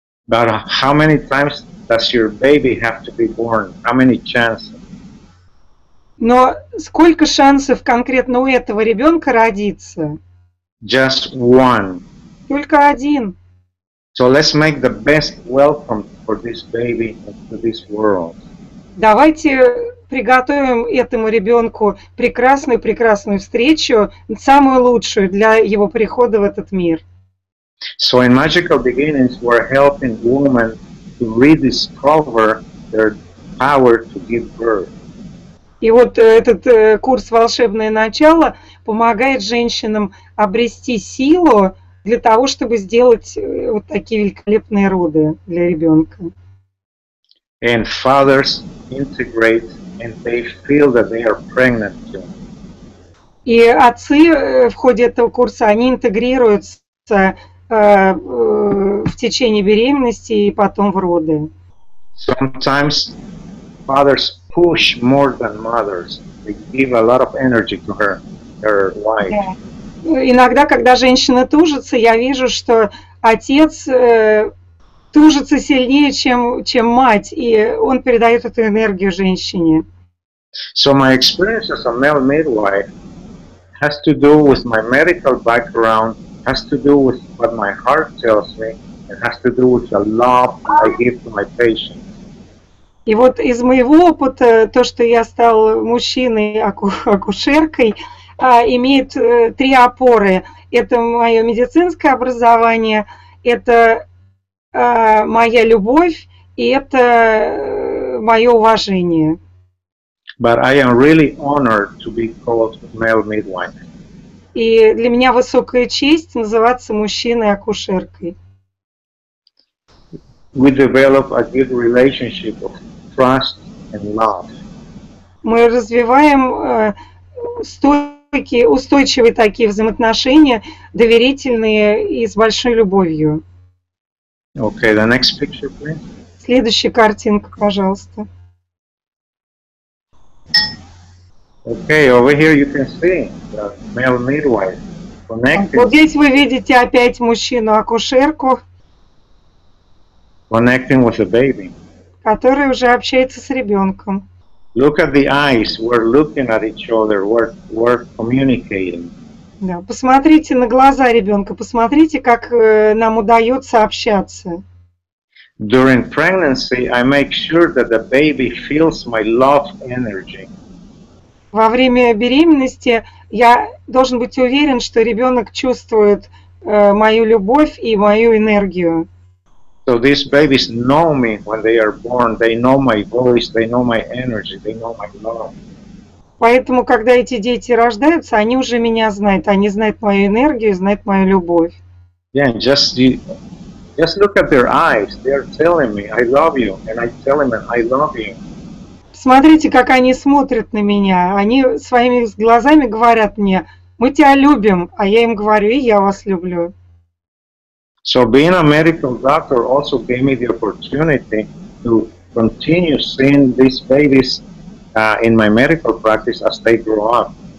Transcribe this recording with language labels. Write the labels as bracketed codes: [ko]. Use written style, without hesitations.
[en] But how many times does your baby have to be born? How many chances? [ru] Но сколько шансов конкретно у этого ребенка родиться? [en] Just one. [ru] Только один. [en] So let's make the best welcome for this baby to this world. [ru] Давайте приготовим этому ребенку прекрасную встречу, самую лучшую для его прихода в этот мир. [en] So in Magical Beginnings we're helping women to rediscover their power to give birth. [ru] И вот этот курс «Волшебное начало» помогает женщинам обрести силу для того, чтобы сделать вот такие великолепные роды для ребенка. [en] And fathers integrate and they feel that they are pregnant too. [ru] И отцы в ходе этого курса, они интегрируются в течение беременности и потом в роды. [en] Sometimes fathers push more than mothers. They give a lot of energy to her wife. Yeah. [ru] Иногда, когда женщина тужится, я вижу, что отец тужится сильнее, чем мать, и он передает эту энергию женщине. [en] So my experience as a male midwife has to do with my medical background, has to do with what my heart tells me, and has to do with the love I give to my patients. [ru] И вот из моего опыта, то, что я стал мужчиной, акушеркой, имеет три опоры. Это мое медицинское образование, это моя любовь и это мое уважение. [en] But I am really honored to be called male midwife. [ru] И для меня высокая честь называться мужчиной-акушеркой. [en] We develop a good relationship of trust and love. [ru] Мы развиваем стойкие, устойчивые такие взаимоотношения, доверительные и с большой любовью. [en] Okay, the next picture, please. [ru] Следующая картинка, пожалуйста. [en] Okay, over here you can see the male midwife connected. [ru] Вот здесь вы видите опять мужчину-акушерку. [en] Connecting with a baby. [ru] Который уже общается с ребенком. [en] Look at the eyes. We're looking at each other. We're communicating. [ru] Да, посмотрите на глаза ребенка. Посмотрите, как нам удается общаться. [en] During pregnancy, I make sure that the baby feels my love energy. [ru] Во время беременности я должен быть уверен, что ребенок чувствует мою любовь и мою энергию. [en] So these babies know me when they are born. They know my voice, they know my energy, they know my love. [ru] Поэтому, когда эти дети рождаются, они уже меня знают. Они знают мою энергию, знают мою любовь. [en] Yeah, just look at their eyes. They are telling me, I love you. And I tell them, I love you. [ru] Смотрите, как они смотрят на меня. Они своими глазами говорят мне, мы тебя любим. А я им говорю, и я вас люблю. [en] So being a medical doctor also gave me the opportunity to continue seeing these babies in my medical practice as they grow up.